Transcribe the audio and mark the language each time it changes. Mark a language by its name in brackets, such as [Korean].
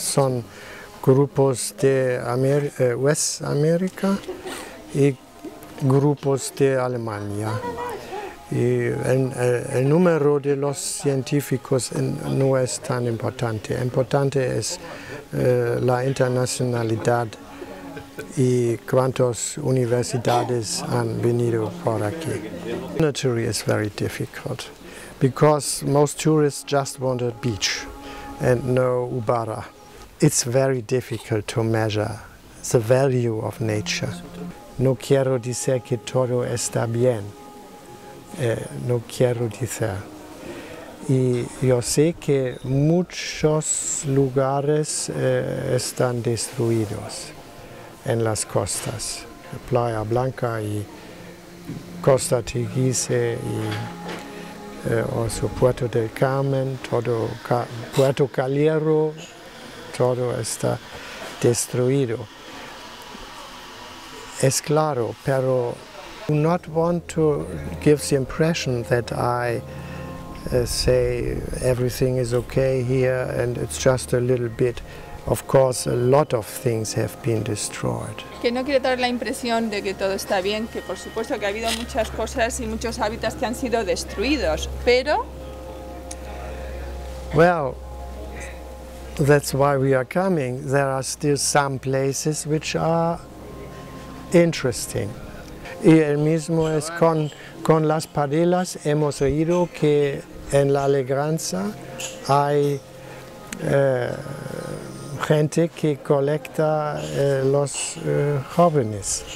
[Spanish] Son grupos de West America y grupos de Alemania. Y el número de los científicos no es tan importante. Importante es la internacionalidad y cuántas universidades han venido por aquí. [English] Nature is very difficult because most tourists just want a beach and no ubara. It's very difficult to measure the value of nature. [Spanish] No quiero decir que todo está bien. No quiero decir. Y yo sé que muchos lugares están destruidos en las costas. Playa Blanca y Costa Teguise y [English] also [Spanish] Puerto del Carmen, todo Puerto Caliero, todo está destruido. Es claro, pero [English] I do not want to give the impression that I say everything is okay here and it's just a little bit. Of course, a lot of things have been destroyed. [Spanish] Que no quiere dar la impresión de que todo está bien, que por supuesto que ha habido muchas cosas y muchos hábitats que han sido destruidos, pero... [English] Well, that's why we are coming. There are still some places which are interesting. [Spanish] Y el mismo es con las parelas. Hemos oído que en la Alegranza hay gente que colecta los jóvenes.